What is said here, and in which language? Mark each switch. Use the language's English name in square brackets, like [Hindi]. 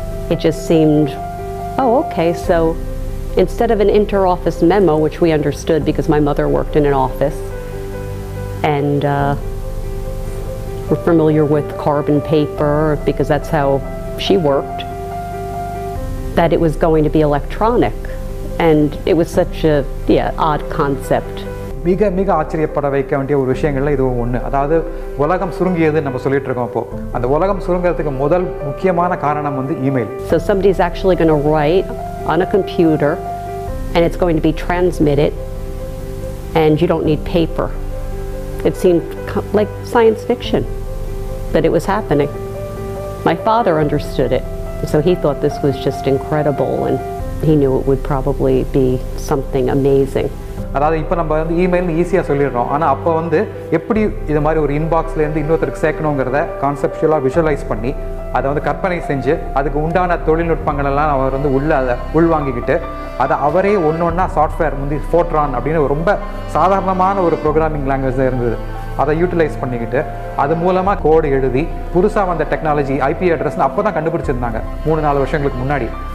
[English] It just seemed, oh, okay, so instead of an inter-office memo, which we understood because my mother worked in an office, and we're familiar with carbon paper because that's how she worked, that it was going to be electronic. And it was such a, odd concept. [Tamil] மிக மிக ஆச்சரியப்பட வைக்க வேண்டிய ஒரு விஷயங்கள்ல இதுவும் ஒன்று. அதாவது உலகம் சுருங்கியதுன்னு நம்ம சொல்லிட்டு இருக்கோம். அப்போ அந்த உலகம் சுருங்கிறதுக்கு முதல் முக்கியமான காரணம் வந்து email. [English] So somebody is actually going to write on a computer and it's going to be transmitted and you don't need paper. It seemed like science fiction that it was happening. My father understood it, so he thought this was just incredible and he knew it would probably be something amazing. [Tamil] அதாவது இப்போ நம்ம வந்து இமெயில்னு ஈஸியாக சொல்லிடுறோம், ஆனால் அப்போ வந்து எப்படி இது மாதிரி ஒரு இன்பாக்ஸ்லேருந்து இன்னொருத்தருக்கு சேர்க்கணுங்கிறத கான்செப்டுவலாக விஷுவலைஸ் பண்ணி அதை வந்து கற்பனை செஞ்சு அதுக்கு உண்டான தொழில்நுட்பங்களெல்லாம் அவர் வந்து உள்ளே அதை உள்வாங்கிக்கிட்டு அதை அவரே ஒன்று ஒன்றா சாஃப்ட்வேர் வந்து ஃபோட்ரான் அப்படின்னு ரொம்ப சாதாரணமான ஒரு ப்ரோக்ராமிங் லாங்குவேஜ் இருந்தது, அதை யூட்டிலைஸ் பண்ணிக்கிட்டு அது மூலமாக கோடு எழுதி புதுசாக வந்த டெக்னாலஜி ஐபி அட்ரஸ்னு அப்போ தான் கண்டுபிடிச்சிருந்தாங்க 3-4 வருஷங்களுக்கு முன்னாடி.